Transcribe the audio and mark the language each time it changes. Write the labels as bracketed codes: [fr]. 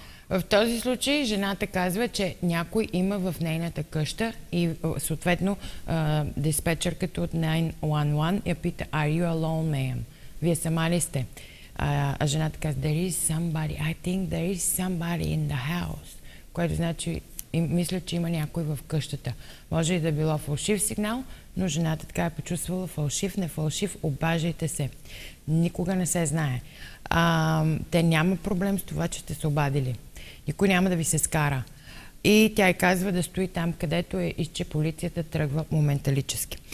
[bg] В този случай жената казва, че някой има в нейната къща и съответно диспетчерката от 911 я пита, [en] are you alone, ma'am? [bg] Вие сама ли сте? А жената казва, [en] there is somebody, I think there is somebody in the house. [bg] Което значи, мисля, че има някой в къщата. Може и да било фалшив сигнал, но жената така е почувствала фалшив, не фалшив, обажайте се. Никога не се знае. Те няма проблем с това, че сте се обадили. Никой няма да ви се скара. И тя й казва да стои там, където е и че полицията тръгва моменталически.